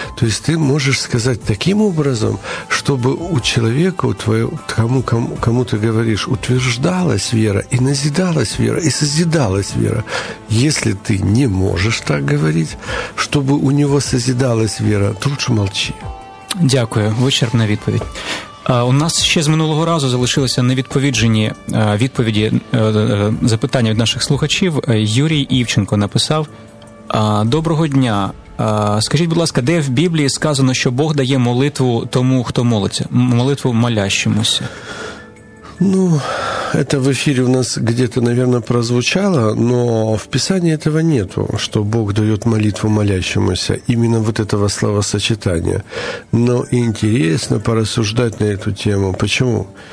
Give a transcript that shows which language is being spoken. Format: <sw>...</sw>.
<ru>То есть ты можешь сказать таким образом, чтобы у человека, у твоего, кому ты говоришь, утверждалась вера, и назидалась вера, и созидалась вера. Если ты не можешь так говорить, чтобы у него созидалась вера, то лучше молчи.</ru> <uk>Дякую. Вичерпна відповідь. У нас ще з минулого разу залишилися невідповіджені відповіді, запитання від наших слухачів. Юрій Івченко написав: «Доброго дня. Скажіть, будь ласка, де в Біблії сказано, що Бог дає молитву тому, хто молиться?</uk> <ru>Молитву молящемуся?» Ну, это в эфире у нас где-то, наверное, прозвучало, но в Писании этого нету, что Бог дает молитву молящемуся, именно вот этого словосочетания. Но интересно порассуждать на эту тему. Почему?</ru>